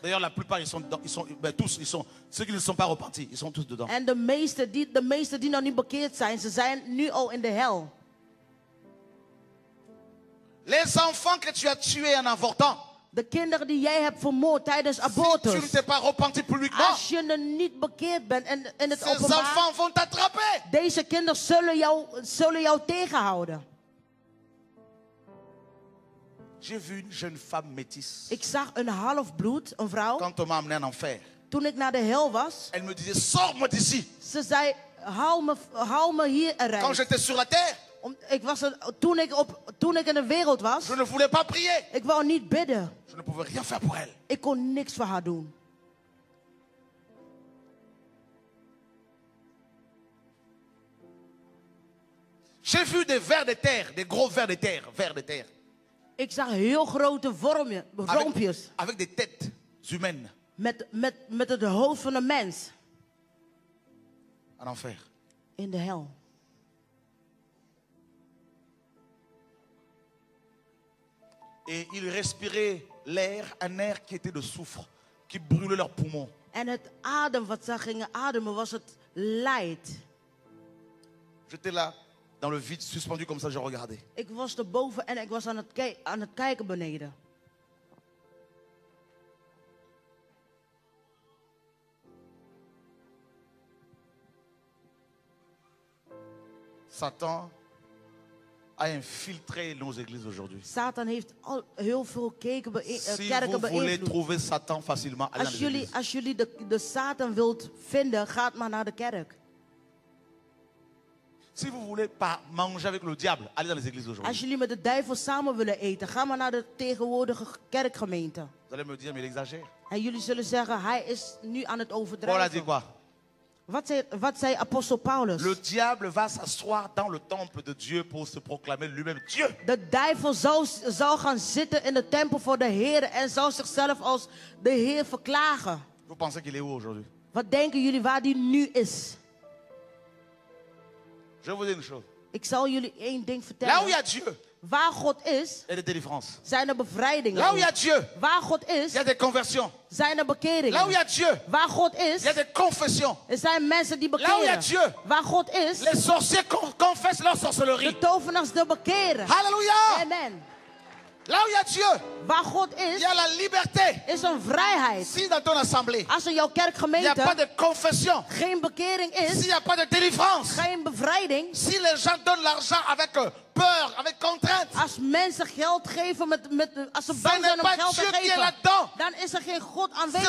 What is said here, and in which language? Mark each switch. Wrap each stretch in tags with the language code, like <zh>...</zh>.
<fr>D'ailleurs, la plupart, ils sont tous, ceux qui ne sont pas repartis, ils sont tous dedans.</fr> <nl>En de meesten die nog niet bekeerd zijn, ze zijn nu al in de hel.</nl> <fr>Les enfants que tu as tués en avortant.</fr> <nl>De kinderen die jij hebt vermoord tijdens abortus.</nl> <fr>Si tu ne t'es pas repenti publiquement.</fr> <nl>Als je niet bekeerd bent en het openbaar.</nl> <fr>Ces enfants vont t'attraper.</fr> <nl>Deze kinderen zullen jou tegenhouden.</nl> <fr>J'ai vu une jeune femme métisse.</fr> <nl>Ik zag een halfbloed, een vrouw.</nl> <fr>Quand on m'a amené en enfer.</fr> <nl>Toen ik naar de hel was.</nl> <fr>Elle me disait, sors-moi d'ici.</fr> <nl>Ze zei, hou me hier eruit.</nl> <fr>Quand j'étais sur la terre.</fr> <nl>Toen ik in de wereld was.</nl> <fr>Je ne voulais pas prier.</fr> <nl>Ik wou niet bidden.</nl> <fr>Je ne pouvais rien faire pour elle.</fr> <nl>Ik kon niks voor haar doen.</nl> <fr>J'ai vu des vers de terre, des gros vers de terre, vers de terre.</fr> <nl>Ik zag heel grote vormpjes.</nl> <fr>Avec des têtes humaines.</fr> <nl>Met het hoofd van een mens.</nl> <fr>En enfer.</fr> <nl>In de hel.</nl> <fr>Et il respirait l'air, un air qui était de soufre, qui brûlait leurs poumons.</fr> <nl>En het adem wat ze gingen ademen was het lijd.</nl> <fr>J'étais là. Dans le vide suspendu comme ça, je regardais.</fr> <nl>Ik was erboven en ik was aan het kijken beneden.</nl> <fr>Satan a infiltré nos églises aujourd'hui.</fr> <nl>Satan heeft al heel veel kerken beïnvloed.</nl> <fr>Si vous voulez trouver Satan facilement, allez à l'église.</fr> <nl>Als jullie de Satan wilt vinden, gaat maar naar de kerk.</nl> <fr>Si vous voulez pas manger avec le diable, allez dans les églises aujourd'hui.</fr> <nl>Als jullie met de duivel samen willen eten, ga maar naar de tegenwoordige kerkgemeente.</nl> <fr>Vous allez me dire, mais il exagère.</fr> <nl>En jullie zullen zeggen, hij is nu aan het overdrijven.</nl> <fr>Paul a dit quoi?</fr> <nl>Wat zei apostel Paulus?</nl> <fr>Le diable va s'asseoir dans le temple de Dieu pour se proclamer lui-même Dieu.</fr> <nl>De duivel zal gaan zitten in de tempel voor de Heer en zal zichzelf als de Heer verklagen.</nl> <fr>Vous pensez qu'il est où aujourd'hui?</fr> <nl>Wat denken jullie waar die nu is?</nl> <fr>Je vous dis une chose.</fr> <nl>Ik zal jullie één ding vertellen.</nl> <fr>Là où il y a Dieu.</fr> <nl>Waar God is,</nl> <fr>et de délivrance.</fr> <nl>Zijn er bevrijdingen.</nl> <fr>Là où il y a Dieu.</fr> <nl>Waar God is,</nl> <fr>il y a des conversions.</fr> <nl>Zijn er bekeringen.</nl> <fr>Là où il y a Dieu.</fr> <nl>Waar God is,</nl> <fr>il y a des confessions.</fr> <nl>Er zijn mensen die bekeren.</nl> <fr>Là où il y a Dieu.</fr> <nl>Waar God is,</nl> <fr>les sorciers confessent leur sorcellerie.</fr> <nl>De tovenaars de bekeren. Halleluja. Amen.</nl> <fr>Là où il y a Dieu,</fr> <nl>waar God is,</nl> <fr>il y a la liberté.</fr> <nl>Is een vrijheid.</nl> <fr>Si dans ton assemblée,</fr> <nl>als in jouw kerkgemeente,</nl> <fr>il y a pas de confession,</fr> <nl>geen bekering is,</nl> <fr>si il y a pas de délivrance,</fr> <nl>geen bevrijding,</nl> <fr>si les gens donnent l'argent avec peur, avec contrainte,</fr> <nl>als mensen geld geven met als ze bang zijn om geld</nl> <fr>Dieu</fr> <nl>te geven,</nl> <fr>là-dedans.</fr> <nl>Dan is er geen God aanwezig.</nl>